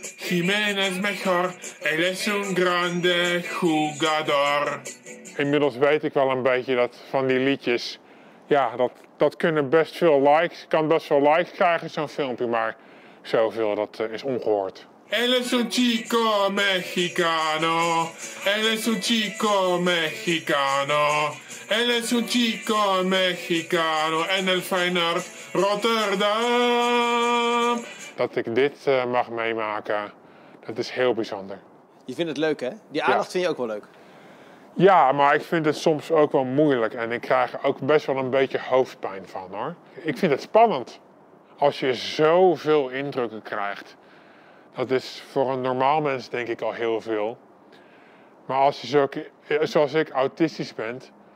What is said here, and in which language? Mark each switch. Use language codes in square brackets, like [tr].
[es] Jiménez mejor, él es un grande jugador. [nl] Inmiddels weet ik wel een beetje dat van die liedjes, ja, dat kunnen best veel likes, kan best veel likes krijgen zo'n filmpje, maar zoveel, dat is ongehoord. [es] Él es un chico mexicano, él es un chico mexicano, él es un chico mexicano, en el Feyenoord Rotterdam. [nl] Dat ik dit mag meemaken. Het is heel bijzonder. Je vindt het leuk, hè? Die aandacht vind je ook wel leuk. Ja, maar ik vind het soms ook wel moeilijk. En ik krijg er ook best wel een beetje hoofdpijn van, hoor. Ik vind het spannend. Als je zoveel indrukken krijgt. Dat is voor een normaal mens denk ik al heel veel. Maar als je zoals ik autistisch bent.